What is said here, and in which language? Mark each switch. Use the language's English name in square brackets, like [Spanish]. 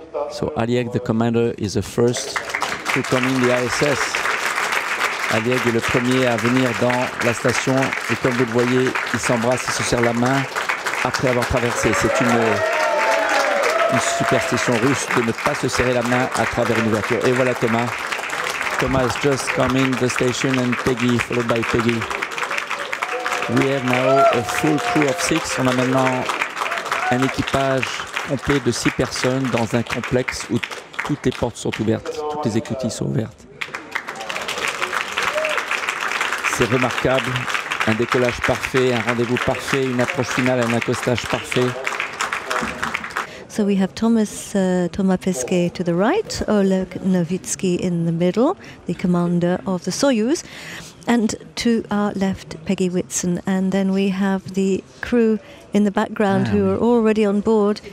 [English] So Aliek, the commander, is the first to come in the ISS. [French] Aliek est le premier à venir dans la station. Et comme vous le voyez, il s'embrasse et se serre la main après avoir traversé. C'est une superstition russe de ne pas se serrer la main à travers une ouverture. Et voilà Thomas. [English] Thomas has just come in the station and Peggy, followed by Peggy. We have now a full crew of six. [French] On a maintenant un équipage complet de six personnes dans un complexe où toutes les portes sont ouvertes, toutes les écoutilles sont ouvertes. C'est remarquable. Un décollage parfait, un rendez-vous parfait, une approche finale, un accostage parfait. [English] So we have Thomas Pesquet to the right, Oleg Novitskiy in the middle, the commander of the Soyuz, and to our left, Peggy Whitson. And then we have the crew in the background who are already on board.